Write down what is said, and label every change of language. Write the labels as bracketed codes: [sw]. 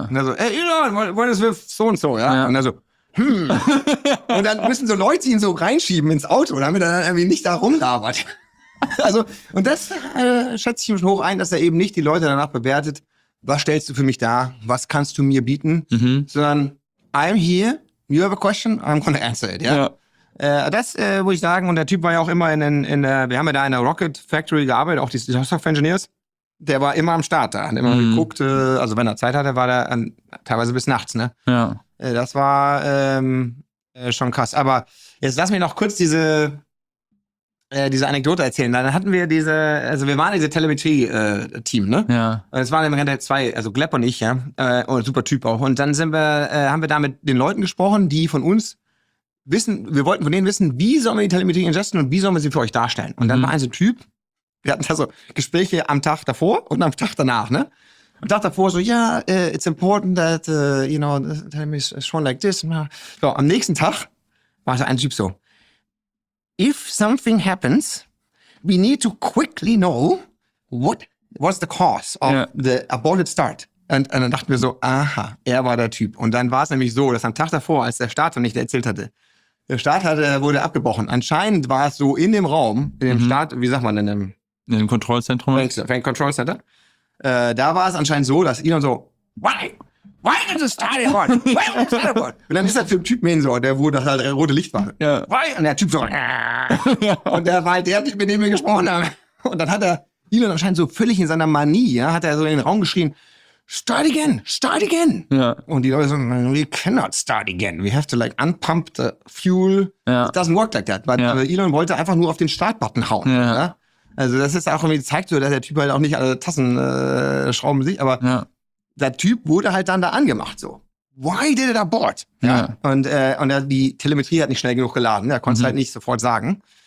[de] Und er so, [en] hey Elon, what is with [de] so und so? Ja? Ja. Und er so, hm. Und dann müssen so Leute ihn so reinschieben ins Auto, damit er dann irgendwie nicht da rumlabert. Also, und das schätze ich mich hoch ein, dass er eben nicht die Leute danach bewertet, was stellst du für mich da, was kannst du mir bieten, mhm. [en] sondern I'm here, you have a question, I'm gonna answer it, yeah? [de] Das muss ich sagen, und der Typ war ja auch immer wir haben ja da in der Rocket Factory gearbeitet, auch die Software Engineers. Der war immer am Start da, hat immer geguckt, also wenn er Zeit hatte, war der teilweise bis nachts, ne? Ja. Das war schon krass. Aber jetzt lass mich noch kurz diese Anekdote erzählen. Dann hatten wir wir waren diese Telemetrie-Team, ne? Ja. Und es waren im Endeffekt zwei, also Gleb und ich, ja, und super Typ auch. Und dann haben wir da mit den Leuten gesprochen, die von uns wissen, wir wollten von denen wissen, wie sollen wir die Telemetrie ingesten und wie sollen wir sie für euch darstellen? Und dann war ein Typ, wir hatten da so Gespräche am Tag davor und am Tag danach, ne? Am Tag davor so, ja, [en] it's important that, you know, the telemetry is shown like this. [de] So, am nächsten Tag war so ein Typ so, [en] if something happens, we need to quickly know what was the cause of the aborted start. [de] Und dann dachten wir so, aha, er war der Typ. Und dann war es nämlich so, dass am Tag davor, als der Start noch nicht erzählt hatte, wurde abgebrochen. Anscheinend war es so in dem Raum, in dem Start, wie sagt man, in dem Kontrollzentrum? [en] Fan Control Center. [de] Da war es anscheinend so, dass Elon so, [en] why did the start abort? Why did the start abort? [de] Und dann ist der Typ mehr so, der wo das halt rote Licht war. [en] Yeah. Why? [de] Und der Typ so, und der war halt der Typ, mit dem wir gesprochen haben. Und dann hat er Elon anscheinend so völlig in seiner Manie, ja, hat er so in den Raum geschrien, [en] Start again. Yeah. [de] Und die Leute so, [en] we cannot start again. We have to like unpump the fuel. Yeah. It doesn't work like that. [de] Weil Elon wollte einfach nur auf den Startbutton hauen. [en] Yeah. [de] Ja. Also das ist auch irgendwie, zeigt so, dass der Typ halt auch nicht alle Tassen schrauben sich, aber der Typ wurde halt dann da angemacht so. [en] Why did it abort? [de] Ja. Und die Telemetrie hat nicht schnell genug geladen, er konnte es halt nicht sofort sagen.